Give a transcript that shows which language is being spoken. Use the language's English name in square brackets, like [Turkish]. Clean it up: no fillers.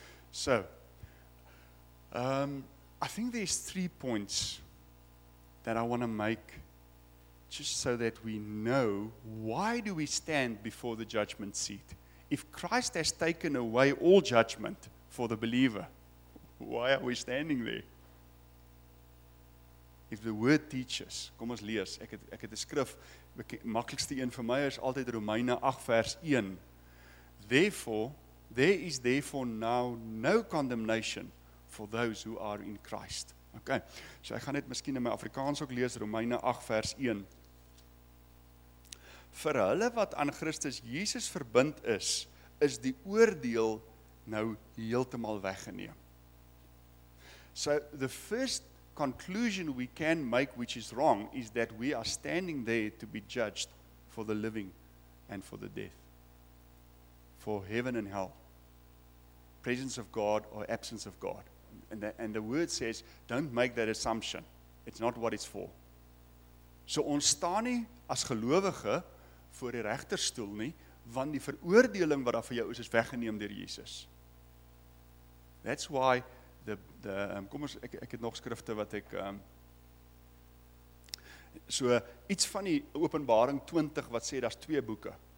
[English] So, I think there's three points that I want to make just so that we know why do we stand before the judgment seat. If Christ has taken away all judgment for the believer, why are we standing there? If the word teaches, [Afrikaans] kom ons lees, ek het 'n skrif, maklikste een vir my is altyd Romeine 8 vers 1. [English] There is therefore now no condemnation for those who are in Christ. [Afrikaans] Okay, so ek gaan net miskien in my Afrikaans ook lees, Romeine 8 vers 1. Vir hulle wat aan Christus Jesus verbind is, is die oordeel nou heeltemal weggeneem. [English] So the first conclusion we can make, which is wrong, is that we are standing there to be judged for the living and for the death. For heaven and hell. Presence of God or absence of God. And the word says, don't make that assumption. It's not what it's for. [Afrikaans] So ons staan nie as gelowige voor die regterstoel nie, want die veroordeling wat daar vir jou is weggeneem deur Jesus. [English] That's why [Afrikaans] ek het nog skrifte wat ek so iets van die Openbaring 20 wat sê daar's twee boeke.